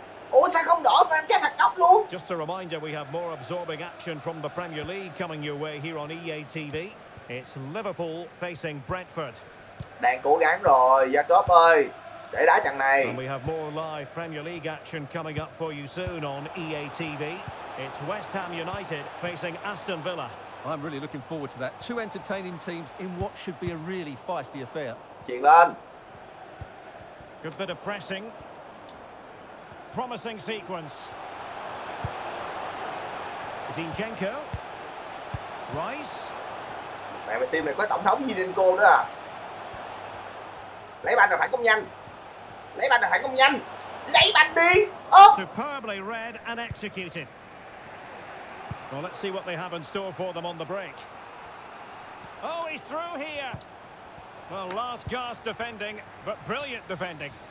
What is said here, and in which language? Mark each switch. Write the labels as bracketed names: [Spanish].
[Vietnamese] Ủa sao không đỏ và em chép hạt tóc luôn? [English] Just a reminder, we have more absorbing action from the Premier League coming your way here on EA TV. It's Liverpool facing Brentford. [Vietnamese] Đang cố gắng rồi, Jacob ơi. Để đá trận này. [English] And we have more live Premier League action coming up for you soon on EA TV. It's West Ham United facing Aston Villa. I'm really looking forward to that. Two entertaining teams in what should be a really feisty affair. [Vietnamese] Chuyền lên. [English] Good bit of pressing. Promising sequence. Zinchenko. Rice. [Vietnamese] Mẹ mày, team này có tổng thống Zinchenko nữa à. Lấy bàn rồi phải công nhanh. Lấy bàn là phải công nhanh. Lấy bàn đi. [English] Superbly read and executed. Well, let's see what they have in store for them on the break. Oh, he's through here. Well, last gasp defending, but brilliant defending.